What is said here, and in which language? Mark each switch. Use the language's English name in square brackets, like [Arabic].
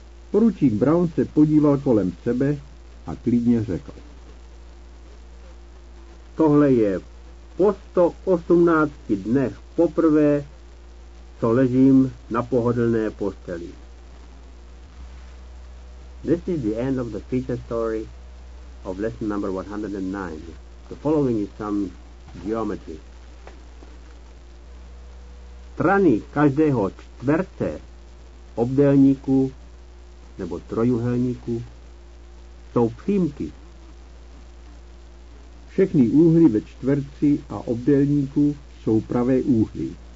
[Czech] Poručík Brown se podíval kolem sebe a klidně řekl. tohle je po 118 dnech poprvé, co ležím na pohodlné posteli. [English] This is the end of the feature story of lesson number 109. The following is some geometry. [Czech] Strany každého čtverce obdélníku nebo trojuhelníku jsou přímky. Všechny úhly ve čtverci a obdélníku jsou pravé úhly.